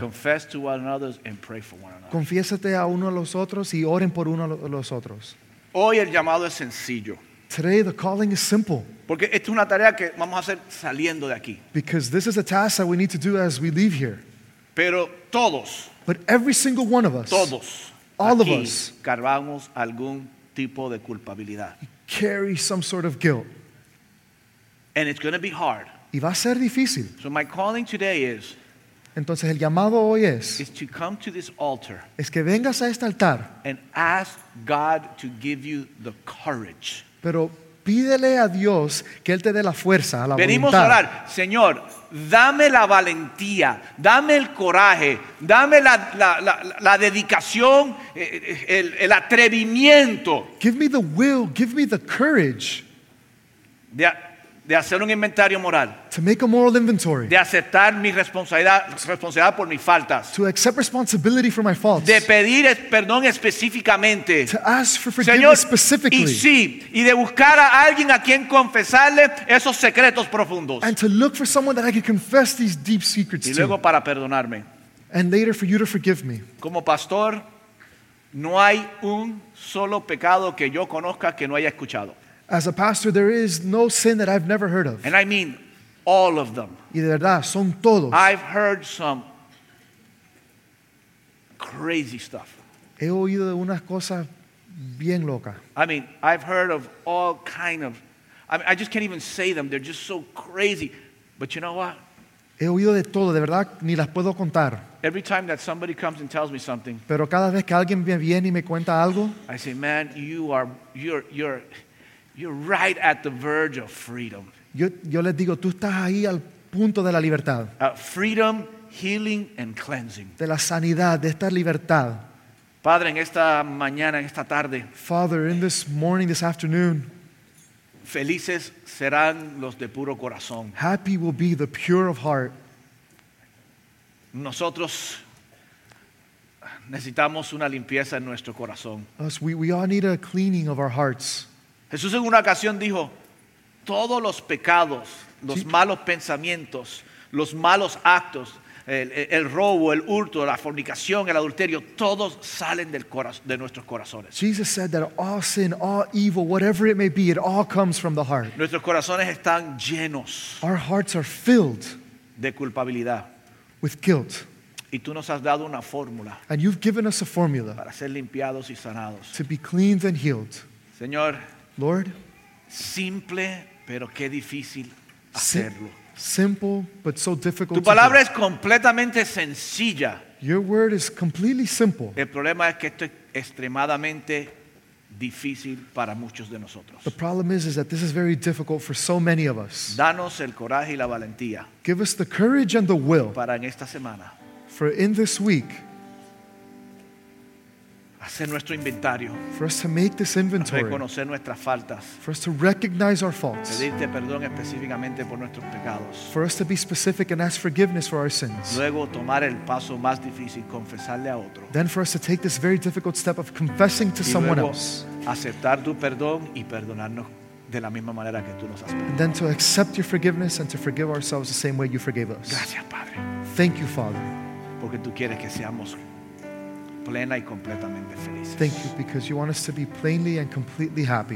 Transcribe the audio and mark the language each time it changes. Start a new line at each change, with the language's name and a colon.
English: Confess to one another and pray for one another.
Spanish: Confiésate a uno a los otros y oren por uno a los otros. Hoy el llamado es sencillo.
English: Today the calling is simple.
Spanish: Porque esta es una tarea que vamos a hacer saliendo de aquí.
English: Because this is a task that we need to do as we leave here.
Spanish: Pero todos.
English: But every single one of us.
Spanish: Todos.
English: All of us.
Spanish: Cargamos algún tipo de culpabilidad.
English: Carry some sort of guilt. And it's going to be hard.
Spanish: Y va a ser difícil.
English: So my calling today is.
Spanish: Entonces el llamado hoy es.
English: Is to come to this altar.
Spanish: Es que vengas a este altar.
English: And ask God to give you the courage.
Spanish: Pero pídele a Dios que Él te dé la fuerza, la Venimos voluntad. A orar, Señor, dame la valentía, dame el coraje, dame la dedicación, el atrevimiento.
English: Give me the will, give me the courage.
Spanish: De hacer un inventario moral.
English: To make a moral inventory.
Spanish: De aceptar mi responsabilidad por mis faltas.
English: To accept responsibility for my faults.
Spanish: De pedir perdón específicamente.
English: To ask for forgiveness specifically.
Spanish: Señor, y sí, y de buscar a alguien a quien confesarle esos secretos profundos.
English: And to look for someone that I can confess these deep secrets to.
Spanish: Y luego para perdonarme.
English: And later for you to forgive me.
Spanish: Como pastor, no hay un solo pecado que yo conozca que no haya escuchado.
English: As a pastor, there is no sin that I've never heard of. And I mean all of them.
Spanish: Y de verdad, son todos.
English: I've heard some crazy stuff.
Spanish: He oído de unas cosas bien locas.
English: I mean, I've heard of all kind of, I just can't even say them. They're just so crazy. But you know what?
Spanish: He oído de todo, de verdad, ni las puedo contar.
English: Every time that somebody comes and tells me something,
Spanish: pero cada vez que alguien me viene y me cuenta algo,
English: I say, man, you're right at the verge of freedom.
Spanish: Yo les digo, tú estás ahí al punto de la libertad.
English: Freedom, healing, and cleansing.
Spanish: De la sanidad, de esta libertad. Padre, en esta mañana, en esta tarde.
English: Father, in this morning, this afternoon.
Spanish: Felices serán los de puro corazón.
English: Happy will be the pure of heart.
Spanish: Nosotros necesitamos una limpieza en nuestro corazón.
English: Us, we all need a cleaning of our hearts.
Spanish: Jesús en una ocasión dijo, todos los pecados, los malos pensamientos, los malos actos, el robo, el hurto, la fornicación, el adulterio, todos salen de nuestros corazones.
English: Jesus said that all sin, all evil, whatever it may be, it all comes from the heart.
Spanish: Nuestros corazones están llenos.
English: Our hearts are filled.
Spanish: De culpabilidad.
English: With guilt.
Spanish: Y tú nos has dado una fórmula.
English: And you've given us a formula.
Spanish: Para ser limpiados y sanados.
English: To be cleansed and healed.
Spanish: Señor.
English: Lord,
Spanish: simple, pero qué difícil hacerlo.
English: Simple, but so difficult.
Spanish: Tu palabra es completamente sencilla.
English: Your word is completely simple.
Spanish: El problema es que esto es extremadamente difícil para muchos de nosotros.
English: The problem is that this is very difficult for so many of us.
Spanish: Danos el coraje y la valentía.
English: Give us the courage and the will.
Spanish: Para en esta semana.
English: For in this week.
Spanish: Hacer nuestro inventario.
English: For us to make this inventory.
Spanish: Reconocer nuestras faltas.
English: For us to recognize our faults.
Spanish: Pedirte perdón específicamente por nuestros pecados.
English: For us to be specific and ask forgiveness for our sins.
Spanish: Luego tomar el paso más difícil, confesarle a otro.
English: Then for us to take this very difficult step of confessing to
Spanish: y
English: someone
Spanish: luego,
English: else.
Spanish: Aceptar tu perdón y perdonarnos de la misma manera que tú nos has perdonado.
English: And then to accept your forgiveness and to forgive ourselves the same way you forgave us.
Spanish: Gracias, Padre.
English: Thank you, Father.
Spanish: Porque tú quieres que seamos plena y completamente felices.
English: Thank you, because you want us to be plainly and completely happy.